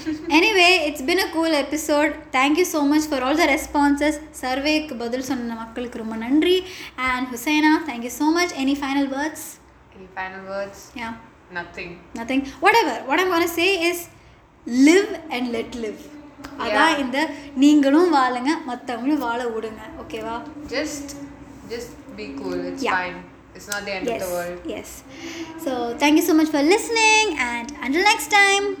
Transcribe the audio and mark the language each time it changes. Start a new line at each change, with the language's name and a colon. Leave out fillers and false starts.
English: Anyway, it's been a cool episode. Thank you so much for all the responses.
Tamil: Survey ku badal sonna makkalukku romba nandri.
English: And Husaina, thank you so much. Any final words? Yeah. Nothing. Whatever. What I'm going to say is live and let live.
Tamil: அதான் இந்த நீங்களும் வாழுங்க மற்றவங்களும் வாழ விடுங்க ஓகேவா.
English: Just be cool, it's fine. It's not the end yes, of the world. Yes. So thank you so much for listening and until next time.